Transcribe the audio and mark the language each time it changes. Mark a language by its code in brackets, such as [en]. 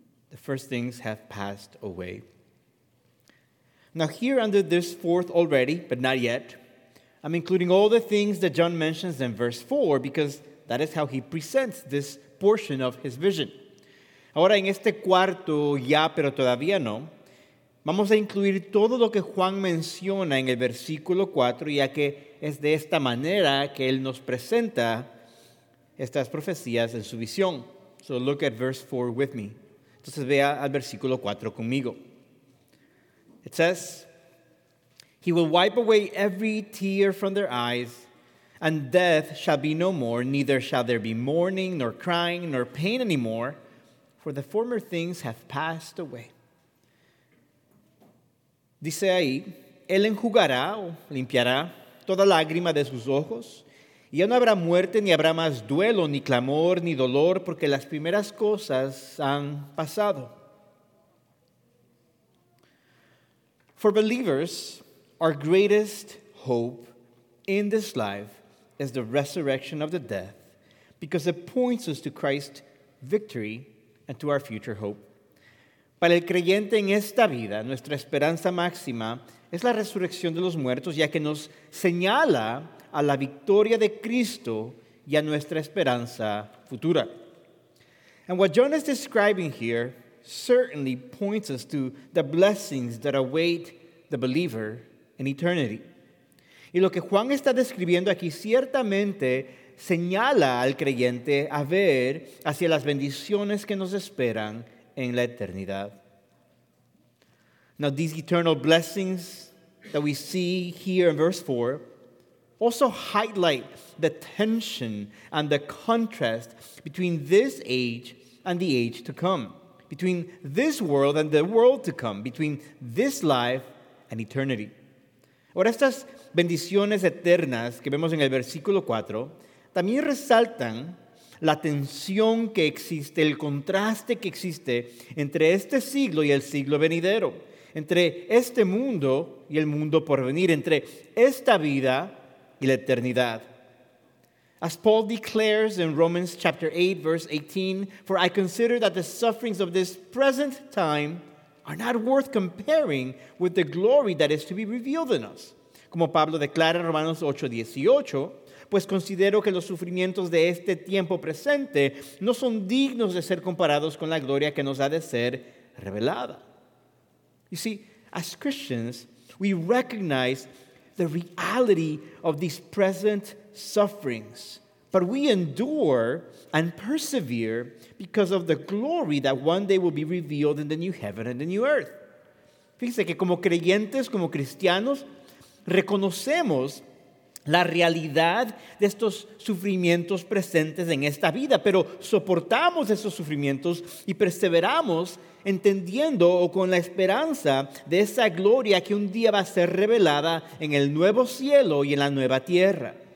[en] The first things have passed away. Now here under this fourth already, but not yet, I'm including all the things that John mentions in verse 4 because that is how he presents this portion of his vision. [es] Ahora en este cuarto, ya pero todavía no, vamos a incluir todo lo que Juan menciona en el versículo 4, ya que es de esta manera que él nos presenta estas profecías en su visión. [en] So look at verse 4 with me. [es] Entonces vea al versículo 4 conmigo. [en] It says, "He will wipe away every tear from their eyes, and death shall be no more, neither shall there be mourning, nor crying, nor pain anymore, for the former things have passed away." [es] Dice ahí, él enjugará o limpiará toda lágrima de sus ojos, y ya no habrá muerte, ni habrá más duelo, ni clamor, ni dolor, porque las primeras cosas han pasado. [en] For believers, our greatest hope in this life is the resurrection of the dead, because it points us to Christ's victory and to our future hope. [es] Para el creyente en esta vida, nuestra esperanza máxima es la resurrección de los muertos, ya que nos señala a la victoria de Cristo y a nuestra esperanza futura. [en] And what John is describing here certainly points us to the blessings that await the believer in eternity. [es] Y lo que Juan está describiendo aquí ciertamente señala al creyente a ver hacia las bendiciones que nos esperan en la eternidad. [en] Now, these eternal blessings that we see here in verse 4 also highlight the tension and the contrast between this age and the age to come, between this world and the world to come, between this life and eternity. [es] Ahora, estas bendiciones eternas que vemos en el versículo 4 también resaltan la tensión que existe, el contraste que existe entre este siglo y el siglo venidero, entre este mundo y el mundo por venir, entre esta vida y la eternidad. [en] As Paul declares in Romans chapter 8, verse 18, "For I consider that the sufferings of this present time are not worth comparing with the glory that is to be revealed in us." [es] Como Pablo declara en Romanos 8, 18, "Pues considero que los sufrimientos de este tiempo presente no son dignos de ser comparados con la gloria que nos ha de ser revelada." [en] You see, as Christians, we recognize the reality of these present sufferings, but we endure and persevere because of the glory that one day will be revealed in the new heaven and the new earth. [es] Fíjense que como creyentes, como cristianos, reconocemos la realidad de estos sufrimientos presentes en esta vida, pero soportamos esos sufrimientos y perseveramos entendiendo o con la esperanza de esa gloria que un día va a ser revelada en el nuevo cielo y en la nueva tierra.